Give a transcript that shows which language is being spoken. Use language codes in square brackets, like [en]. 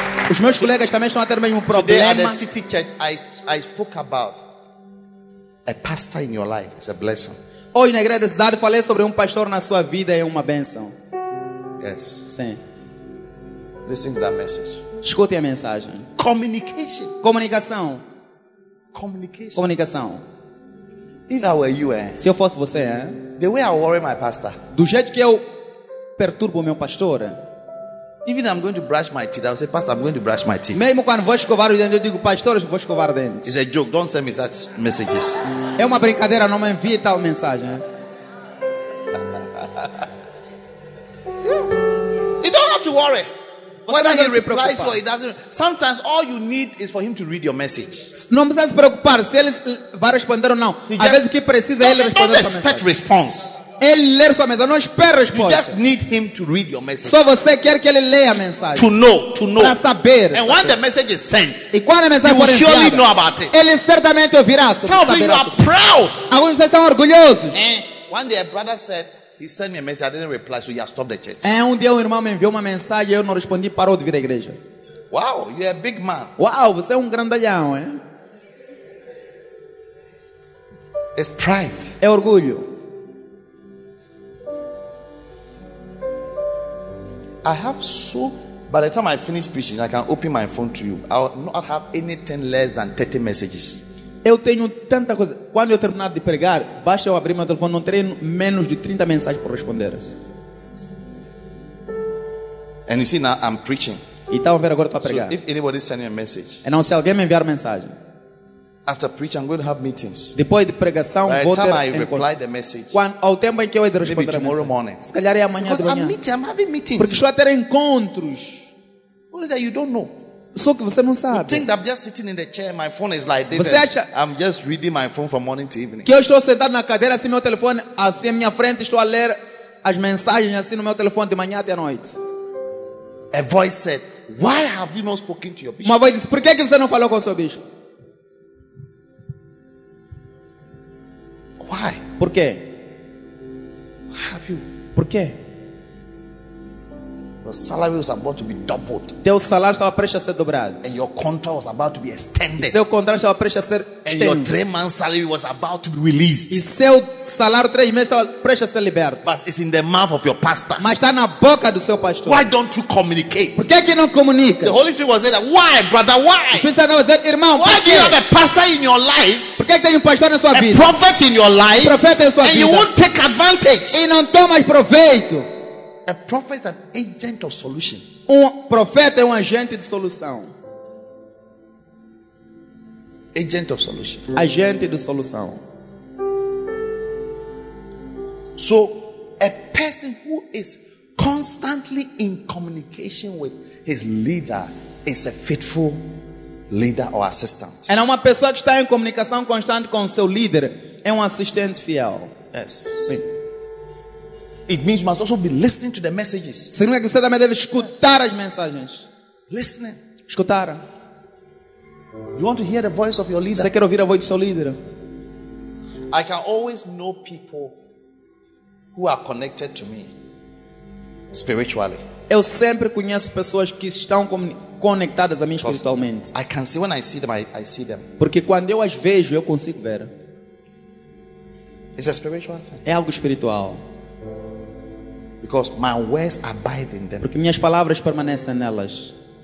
[pt] Os meus colegas também estão a ter o mesmo problema. [en] Today at the City Church, I spoke about a pastor in your life. It's a blessing. [pt] Hoje na igreja da cidade falei sobre um pastor na sua vida, é uma bênção. [en] Yes. [pt] Sim. [en] Listen to that message. [pt] Escute a mensagem. [en] Communication. [pt] Comunicação. [en] Communication. [pt] Comunicação. [en] If I were you, [pt] se eu fosse você, [en] the way I worry my pastor. [pt] Do jeito que eu perturbo o meu pastor. [en] Even I'm going to brush my teeth. I would say, Pastor, I'm going to brush my teeth. [pt] Mesmo quando vou escovar os dentes, eu digo, Pastor, vou escovar os dentes. [en] It's a joke. Don't send me such messages. [pt] É uma brincadeira, não me envie tal mensagem. [en] You don't have to worry. Whether he replies or he doesn't. Sometimes all you need is for him to read your message. [pt] Não precisa se preocupar se ele vai responder ou não. Às vezes o que precisa é ele responder. [en] Don't expect response. [pt] Ele ler sua mensagem, não espera resposta. [en] You just need him to read your message. [pt] Só você quer que ele leia a mensagem. [en] To know. [pt] Para saber. [en] And when the message is sent, [pt] e quando a mensagem for enviada, [en] he will surely know about it. [pt] Ele certamente ouvirá. [en] Some of you are proud. [pt] Alguns de vocês são orgulhosos. [en] One day a brother said, he sent me a message, I didn't reply, so he has stopped the church. [pt] Um dia um irmão me enviou uma mensagem e eu não respondi, parou de vir à igreja. [en] Wow, you're a big man. [pt] Wow, você é um grandalhão, hein? [en] It's pride. [pt] É orgulho. [en] I have so, by the time I finish preaching, I can open my phone to you. I will not have anything less than 30 messages. [pt] Eu tenho tanta coisa. Quando eu terminar de pregar, basta eu abrir meu telefone, não terei menos de 30 mensagens para responder. [en] And you see, now I'm preaching. [pt] Então, agora estou a pregar. [en] So if anybody send me a message. [pt] Então, se alguém me enviar mensagem. [en] After preaching, I'm going to have meetings. [pt] Depois de pregação, [en] by [pt] vou [en] the time [pt] ter [en] I reply the message. [pt] Quando, ao tempo em que eu vou responder. [en] Maybe tomorrow morning. [pt] Se calhar é amanhã [en] because [pt] de manhã. [en] I'm meeting, I'm having meetings. [pt] Porque estou a ter encontros. [en] Only that you don't know. [pt] Só que você não sabe. [en] You think that I'm just sitting in the chair, my phone is like this. [pt] Você acha? [en] I'm just reading my phone from morning to evening. [pt] Que eu estou sentado na cadeira assim, meu telefone assim à minha frente, estou a ler as mensagens assim no meu telefone de manhã até à noite. [en] A voice said, "Why have you not spoken to your bishop?" [pt] Uma voz disse, "Por que que você não falou com o seu bispo?" [en] Why? [pt] Por quê? [en] Why have you? [pt] Por quê? [en] Your salary was about to be doubled. [pt] Teu salário estava prestes a ser dobrado. [en] And your contract was about to be extended. [pt] E seu contrato estava prestes a ser extenso. [en] And your 3 months salary was about to be released. [pt] E seu salário 3 meses estava prestes a ser liberto. [en] But it's in the mouth of your pastor. [pt] Mas está na boca do seu pastor. [en] Why don't you communicate? [pt] Por que não comunica? [en] The Holy Spirit was saying, why, brother? Why? [pt] O Espírito Santo estava dizendo, irmão, [en] why do you have a pastor in your life? [pt] Por que tem pastor na sua vida? [en] A prophet in your life. [pt] Profeta em sua [en] and [pt] vida. [en] You won't take advantage. [pt] E não toma proveito. [en] A prophet is an agent of solution. [pt] Profeta é agente de solução. [en] Agent of solution. [pt] Agente de solução. [en] So, a person who is constantly in communication with his leader is a faithful leader or assistant. [pt] É uma pessoa que está em comunicação constante com seu líder, é assistente fiel. [en] Yes. [pt] Sim. [en] It means you must also be listening to the messages. [pt] Significa que você também deve escutar as mensagens. [en] Listening. [pt] Escutar. [en] You want to hear the voice of your leader. [pt] Você quer ouvir a voz do seu líder. [en] I can always know people who are connected to me spiritually. [pt] Eu sempre conheço pessoas que estão conectadas a mim espiritualmente. [en] I can see when I see them, I see them. [pt] Porque quando eu as vejo, eu consigo ver. [en] It's a spiritual thing. [pt] É algo espiritual. [en] Because my words abide in them. [pt] Porque minhas palavras permanecem nelas.